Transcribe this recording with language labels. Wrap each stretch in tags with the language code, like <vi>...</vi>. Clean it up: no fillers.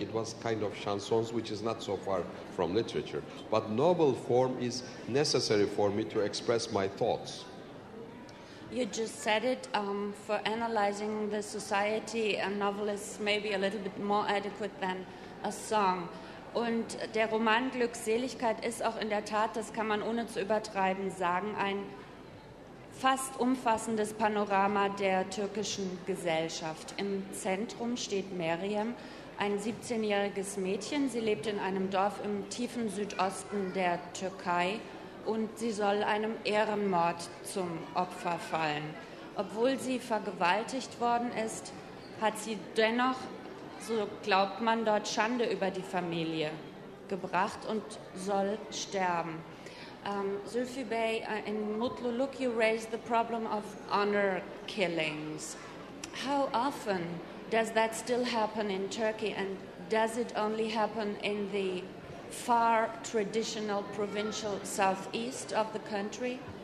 <en>It was kind of chansons, which is not so far from literature. But novel form is necessary for me to express my thoughts. You just said it, for analyzing the society, a novel is maybe a little bit more adequate than a song.</en> <de>Und der Roman Glückseligkeit ist auch in der Tat, das kann man ohne zu übertreiben sagen, ein fast umfassendes Panorama der türkischen Gesellschaft. Im Zentrum steht Meryem, ein 17-jähriges Mädchen. Sie lebt in einem Dorf im tiefen Südosten der Türkei und sie soll einem Ehrenmord zum Opfer fallen. Obwohl sie vergewaltigt worden ist, hat sie dennoch, so glaubt man dort, Schande über die Familie gebracht und soll sterben.</de> <en>Zülfü Bey, in Mutluluk you raise the problem of honor killings. How often does that still happen in Turkey, and does it only happen in the far traditional provincial southeast of the country?</en>